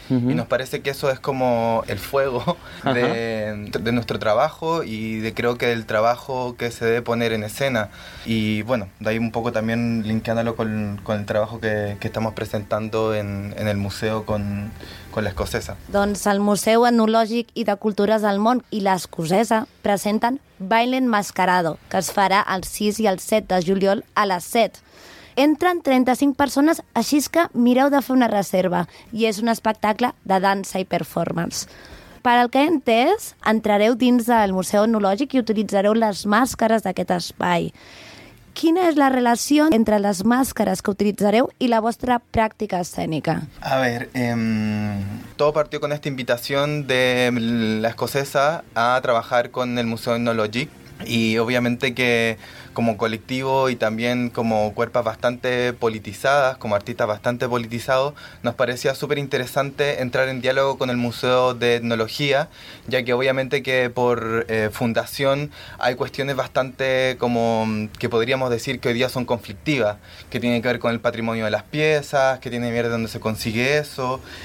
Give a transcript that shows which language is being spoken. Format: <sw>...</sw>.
<es>Uh-huh. Y nos parece que eso es como el fuego de nuestro trabajo y de creo que del trabajo que se debe poner en escena. Y bueno, de ahí un poco también linkeándolo con el trabajo que estamos presentando en el museo con la escocesa.</es> <ca>Doncs el Museu Etnològic i de Cultures del Món i l'escocesa presenten Baile Enmascarado, que es farà el 6 i el 7 de juliol a les 7. Entren 35 persones, així que mireu de fer una reserva, i és un espectacle de dansa i performance. Per al que he entès, entrareu dins del Museu Etnològic i utilitzareu les màscares d'aquest espai. Quina és la relació entre les màscares que utilitzareu i la vostra pràctica escènica?</ca> <es>A ver, todo partió con esta invitación de la escocesa a trabajar con el Museo Etnològic. Y obviamente que como colectivo y también como cuerpos bastante politizadas, como artistas bastante politizados, nos parecía súper interesante entrar en diálogo con el Museo de Etnología, ya que obviamente que por fundación hay cuestiones bastante como que podríamos decir que hoy día son conflictivas, que tienen que ver con el patrimonio de las piezas, que tiene que ver de dónde se consigue eso.</es>